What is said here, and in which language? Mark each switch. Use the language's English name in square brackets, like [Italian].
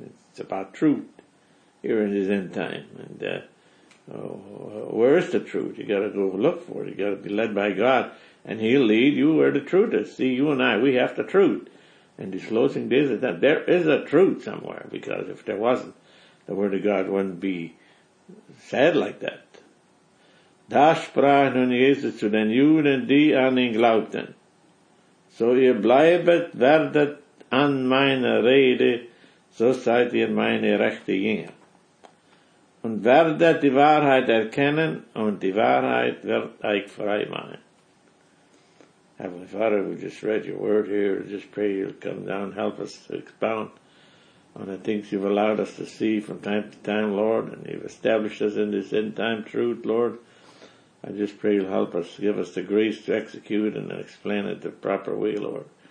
[English] It's about truth here in His end time. And where is the truth? You got to go look for it. You got to be led by God, and He'll lead you where the truth is. See, you and I, we have the truth. And disclosing this and that, there is a truth somewhere, because if there wasn't, the Word of God wouldn't be said like that. [German] "Da sprach nun Jesus zu den Juden, die an ihn glaubten: So ihr bleibet, werdet an meiner Rede, so seid ihr meine rechte Jünger. Und werdet die Wahrheit erkennen, und die Wahrheit wird euch frei machen." [English] Heavenly Father, we just read your word here. Just pray you'll come down, help us to expound on the things you've allowed us to see from time to time, Lord. And you've established us in this end time truth, Lord. I just pray you'll help us, give us the grace to execute and explain it the proper way, Lord.